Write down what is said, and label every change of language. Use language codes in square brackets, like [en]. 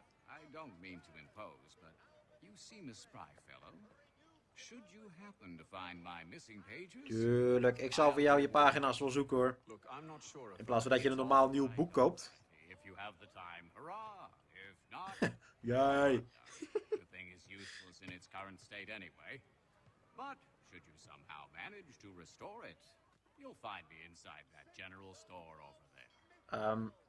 [en] I don't mean to impose, but you seem a spry fellow. Should you happen to find my missing pages? [nl] Tuurlijk, ik zal voor jou je pagina's wel zoeken hoor. In plaats van dat je een normaal nieuw boek koopt. [en] If you have the time, hurrah. If not, [nl] jij. [en] The thing is useless in its current state anyway. But should you somehow manage to restore it, you'll find me inside that general store over there.